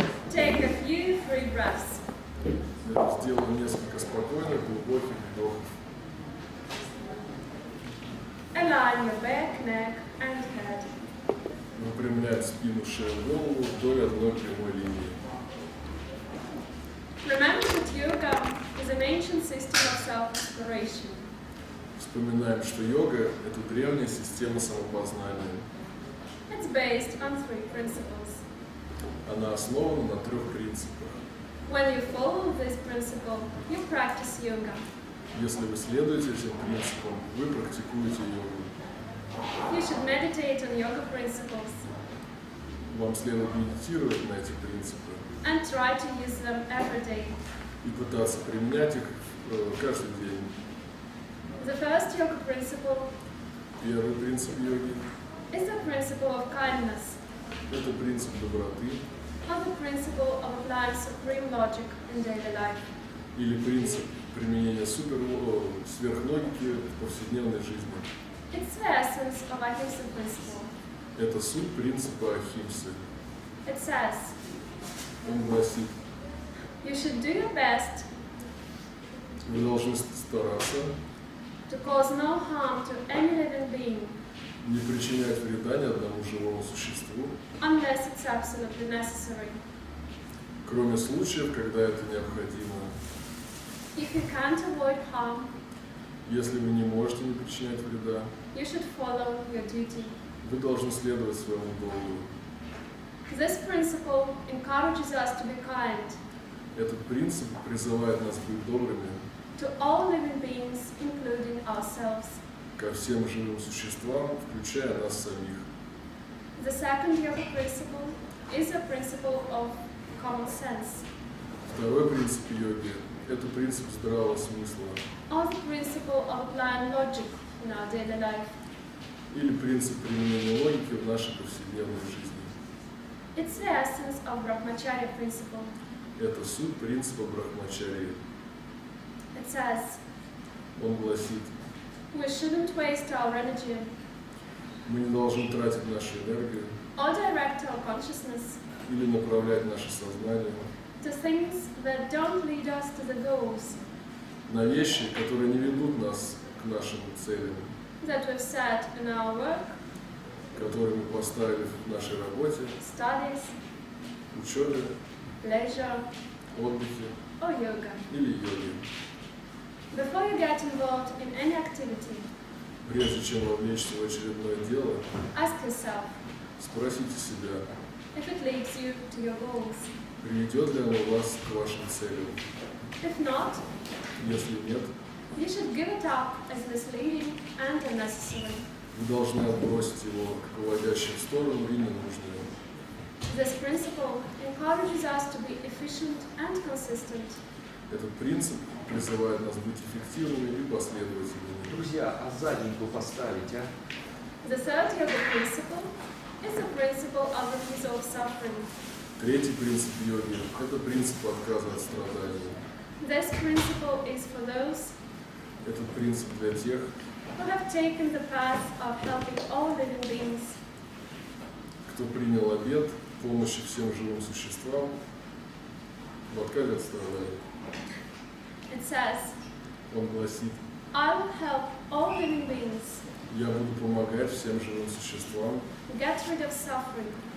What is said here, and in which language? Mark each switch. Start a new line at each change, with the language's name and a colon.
English: Take a few free breaths.
Russian: Сделаем несколько спокойных, глубоких вдохов.
English: Align your back, neck and head.
Russian: Выпрямляем спину, шею, голову вдоль одной прямой линии.
English: Remember that yoga is an ancient system of self-exploration.
Russian: Вспоминаем, что йога – это древняя система самопознания.
English: It's based on three principles.
Russian: Она основана на трех принципах.
English: When you follow this principle, you practice yoga.
Russian: Если вы следуете этим принципам, вы практикуете йогу.
English: You should meditate on yoga principles.
Russian: вам следует медитировать на эти принципы.
English: And try to use them every day.
Russian: И пытаться применять их каждый день.
English: The first yoga principle.
Russian: Первый принцип йоги.
English: Is the principle of kindness.
Russian: Это принцип доброты.
English: And the principle of applying supreme logic in daily life.
Russian: Или принцип применения сверхлогики в повседневной жизни.
English: It's the essence of Ahimsa principle.
Russian: Это суть принципа Ахимсы.
English: It says.
Russian: Он гласит.
English: You should do your best.
Russian: Вы должны стараться.
English: To cause no harm to any living being.
Russian: Не причинять вреда ни одному живому существу.
English: Unless it's absolutely necessary.
Russian: Кроме случаев, когда это необходимо.
English: If you can't avoid harm.
Russian: Если вы не можете не причинять вреда.
English: You should follow your duty.
Russian: Вы должны следовать своему долгу.
English: This principle encourages us to be kind.
Russian: Этот принцип призывает нас быть добрыми.
English: To all living beings, including ourselves.
Russian: Ко всем живым существам, включая нас самих.
English: The second yoga principle is a principle of common sense.
Russian: Второй принцип йоги – это принцип здравого смысла.
English: Or the principle of applying logic in our daily life.
Russian: Или принцип применения логики в нашей повседневной жизни.
English: It's the essence of Brahmacharya principle.
Russian: Это суть принципа Брахмачарьи.
English: It says.
Russian: Он гласит.
English: We shouldn't waste our energy.
Russian: Мы не должны тратить нашу энергию.
English: Or direct our consciousness.
Russian: Или направлять наше сознание.
English: To things that don't lead us to the goals.
Russian: На вещи, которые не ведут нас к нашим целям.
English: That we've set in our work.
Russian: Которые мы поставили в нашей работе.
English: Studies.
Russian: Учебе.
English: Leisure.
Russian: Отдыхе.
English: Or yoga.
Russian: Или йоги.
English: Before you get involved in any activity,
Russian: прежде чем вовлечься в очередное дело,
English: ask yourself,
Russian: спросите себя,
English: if it leads you to your goals,
Russian: приведет ли оно вас к вашим целям.
English: If not,
Russian: если нет,
English: you should give it up as misleading and unnecessary.
Russian: Вы должны отбросить его к уводящим в сторону и ненужным.
English: This principle encourages us to be efficient and consistent.
Russian: Этот принцип призывает нас быть эффективными и последовательными. Друзья, а задненько поставить, а?
English: The third yoga principle is the principle of refusal of suffering.
Russian: Третий принцип йоги – это принцип отказа от страданий.
English: This principle is for those.
Russian: Этот принцип для тех,
English: who have taken the path of helping all living beings.
Russian: Кто принял обет помощи всем живым существам в отказе от страданий.
English: It says,
Russian: он гласит,
English: I will help all living beings.
Russian: Я буду помогать всем живым существам
English: get rid of suffering.